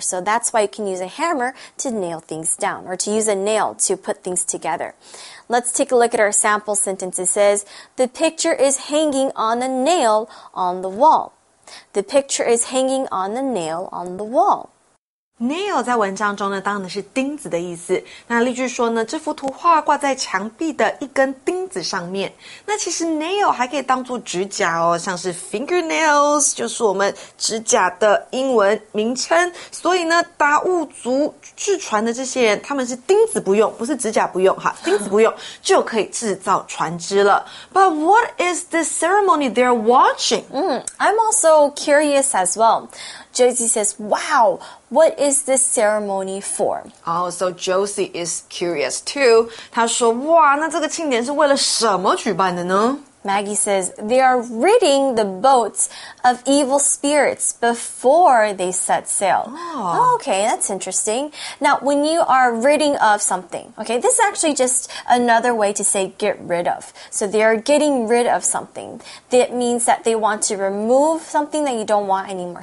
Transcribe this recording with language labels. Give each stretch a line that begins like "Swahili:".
English: So that's why you can use a hammer to nail things down or to use a nail to put things together. Let's take a look at our sample sentence. It says, the picture is hanging on a nail on the wall. The picture is hanging on a nail on the wall.
Chinese: Nail 在文章中呢，当然是钉子的意思。那例句说呢，这幅图画挂在墙壁的一根钉子上面。那其实 nail 还可以当作指甲哦，像是 fingernails 就是我们指甲的英文名称。所以呢，达悟族制船的这些人，他们是钉子不用，不是指甲不用哈，钉子不用就可以制造船只了。
English: But what is the ceremony they're watching? I'm also curious as well. Josie says, wow, what is this ceremony for? Oh, so Josie is curious too.
Chinese: 她说，哇，那这个庆典是为了什么举办的呢？
English: Maggie says, they are ridding the boats of evil spirits before they set sail. Oh, okay, that's interesting. Now, when you are ridding of something, okay, this is actually just another way to say get rid of. So they are getting rid of something. That means that they want to remove something that you don't want anymore.